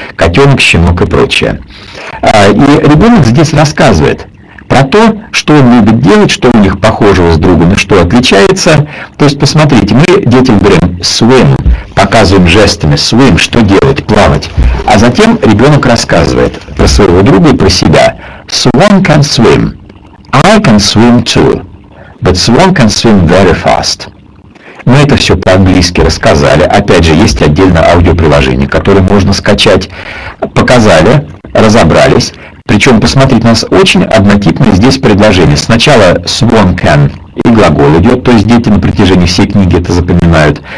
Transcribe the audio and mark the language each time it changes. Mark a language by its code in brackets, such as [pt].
[ru] Котенок, щенок и прочее. И ребенок здесь рассказывает про то, что он любит делать, что у них похожего с другом, и что отличается. То есть, посмотрите, мы детям говорим swim, показываем жестами swim, что делать, плавать. А затем ребенок рассказывает про своего друга и про себя. [en] Swan can swim. I can swim too. But swan can swim very fast. [ru] Мы это все по-английски рассказали. Опять же, есть отдельное аудиоприложение, которое можно скачать. Показали, разобрались. Причем, посмотрите, у нас очень однотипное здесь предложение. Сначала [en] swan can [ru] и глагол идет, то есть дети на протяжении всей книги это запоминают.